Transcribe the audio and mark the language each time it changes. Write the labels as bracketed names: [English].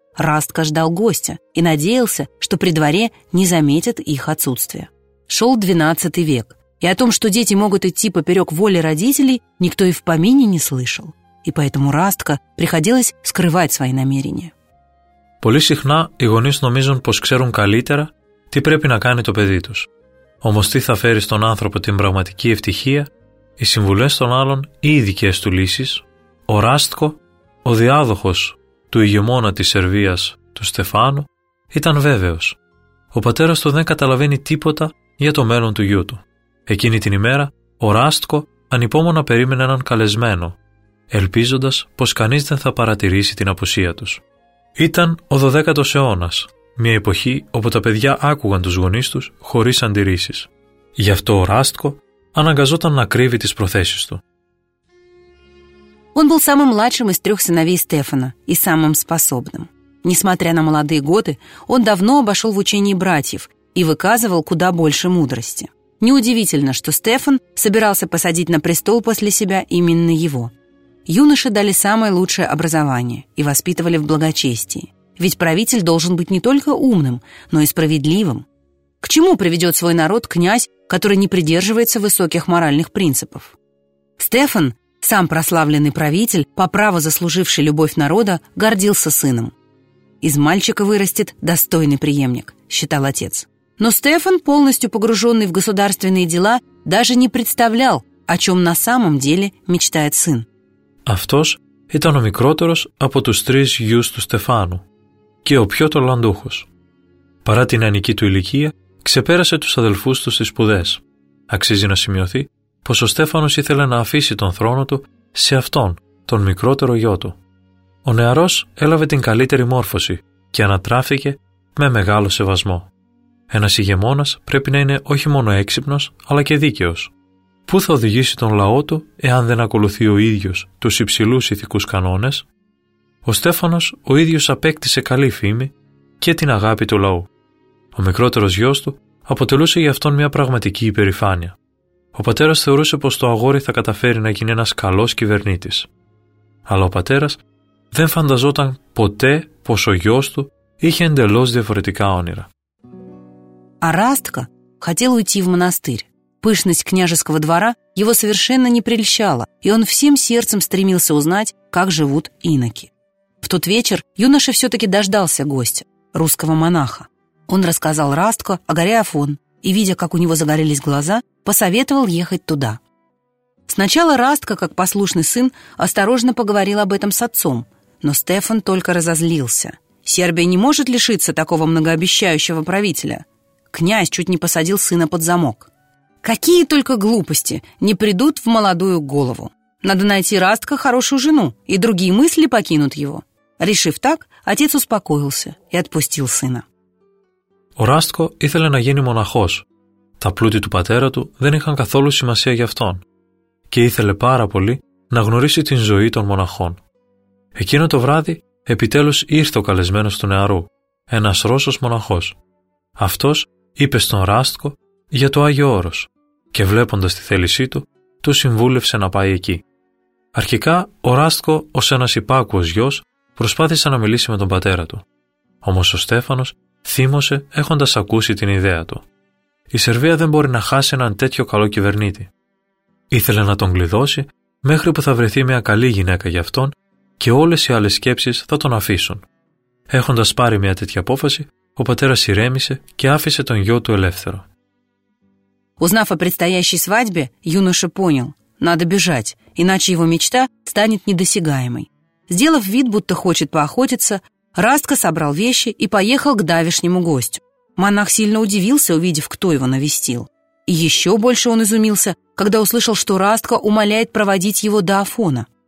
[Russian] Растка ждал гостя и надеялся, что при дворе не заметят их отсутствие. Шел 12 век, и о том, что дети могут идти поперек воли родителей, никто и в помине не слышал. И поэтому Растка приходилось скрывать свои намерения. [Greek] Πολύ συχνά οι γονείς νομίζουν πως ξέρουν καλύτερα τι πρέπει να κάνει το παιδί τους. Όμως τι θα φέρει στον άνθρωπο την πραγματική ευτυχία, οι συμβουλές των άλλων ή οι δικές του λύσεις, ο Ράστκο, ο διάδοχος του ηγεμόνα της Σερβίας, του Στεφάνου, ήταν βέβαιος. Ο πατέρας του δεν καταλαβαίνει τίποτα για το μέλλον του γιού του. Εκείνη την ημέρα, ο Ράστκο ανυπόμονα περίμενε έναν καλεσμένο, ελπίζοντας πως κανείς δεν θα παρατηρήσει την απουσία τους. Ήταν ο 12ος αιώνας, μια εποχή όπου τα παιδιά άκουγαν τους γονείς τους χωρίς αντιρρήσεις. Γι' αυτό ο Ράστκο αναγκαζόταν να κρύβει τις προθέσεις του. [Russian] Он был самым младшим из трех сыновей Стефана и самым способным. Несмотря на молодые годы, он давно обошел в учении братьев и выказывал куда больше мудрости. Неудивительно, что Стефан собирался посадить на престол после себя именно его. Юноше дали самое лучшее образование и воспитывали в благочестии. Ведь правитель должен быть не только умным, но и справедливым. К чему приведет свой народ князь, который не придерживается высоких моральных принципов? Стефан, сам прославленный правитель, по праву заслуживший любовь народа, гордился сыном. «Из мальчика вырастет достойный преемник», – считал отец. Но Стефан, полностью погруженный в государственные дела, даже не представлял, о чем на самом деле мечтает сын. [Greek] Αυτός ήταν ο μικρότερος από τους τρεις γιους του Στεφάνου και ο πιο ταλαντούχος. Παρά την νεανική του ηλικία, ξεπέρασε τους αδελφούς του στις σπουδές. Αξίζει να σημειωθεί πως ο Στέφανος ήθελε να αφήσει τον θρόνο του σε αυτόν, τον μικρότερο γιο του. Ο νεαρός έλαβε την καλύτερη μόρφωση και ανατράφηκε με μεγάλο σεβασμό. Ένας ηγεμόνας πρέπει να είναι όχι μόνο έξυπνος, αλλά και δίκαιος. Πού θα οδηγήσει τον λαό του εάν δεν ακολουθεί ο ίδιος τους υψηλούς ηθικούς κανόνες? Ο Στέφανος ο ίδιος απέκτησε καλή φήμη και την αγάπη του λαού. Ο μικρότερος γιος του αποτελούσε για αυτόν μια πραγματική υπερηφάνεια. Ο πατέρας θεωρούσε πως το αγόρι θα καταφέρει να γίνει ένας καλός κυβερνήτης. Αλλά ο πατέρας δεν φανταζόταν ποτέ πως ο γιος του είχε εντελώς διαφορετικά όνειρα. [Russian] Αράστκα, хотел уйти в монастырь. Пышность княжеского двора его совершенно не прельщала, и он всем сердцем стремился узнать, как живут иноки. В тот вечер юноша все-таки дождался гостя, русского монаха. Он рассказал Растко о горе Афон, и, видя, как у него загорелись глаза, посоветовал ехать туда. Сначала Растко, как послушный сын, осторожно поговорил об этом с отцом, но Стефан только разозлился. «Сербия не может лишиться такого многообещающего правителя. Князь чуть не посадил сына под замок». Какие только глупости не придут в молодую голову. Надо найти Растка хорошую жену, и другие мысли покинут его. Решив так, отец успокоился и отпустил сына. [Greek] Ο Растко ήθελε να γίνει μοναχός. Τα πλούτη του πατέρα του δεν είχαν καθόλου σημασία για αυτόν. Και ήθελε πάρα πολύ να γνωρίσει την ζωή των μοναχών. Εκείνο το βράδυ, επιτέλους ήρθε ο καλεσμένος του νεαρού, ένας Ρώσος μοναχός. Αυτός είπε στον Ράστκο για το Άγιο Όρος και βλέποντας τη θέλησή του, του συμβούλευσε να πάει εκεί. Αρχικά, ο Ράστκο, ως ένας υπάκουος γιος, προσπάθησε να μιλήσει με τον πατέρα του. Όμως ο Στέφανος θύμωσε έχοντας ακούσει την ιδέα του. Η Σερβία δεν μπορεί να χάσει έναν τέτοιο καλό κυβερνήτη. Ήθελε να τον κλειδώσει μέχρι που θα βρεθεί μια καλή γυναίκα για αυτόν και όλες οι άλλες σκέψεις θα τον αφήσουν. Έχοντας πάρει μια τέτοια απόφαση, ο πατέρας ηρέμησε και άφησε τον γιο του ελεύθερο. [Russian] Узнав о предстоящей свадьбе, юноша понял – надо бежать, иначе его мечта станет недосягаемой. Сделав вид, будто хочет поохотиться, Растко собрал вещи и поехал к давешнему гостю. Монах сильно удивился, увидев, кто его навестил. И еще больше он изумился, когда услышал, что Растко умоляет проводить его до Афона.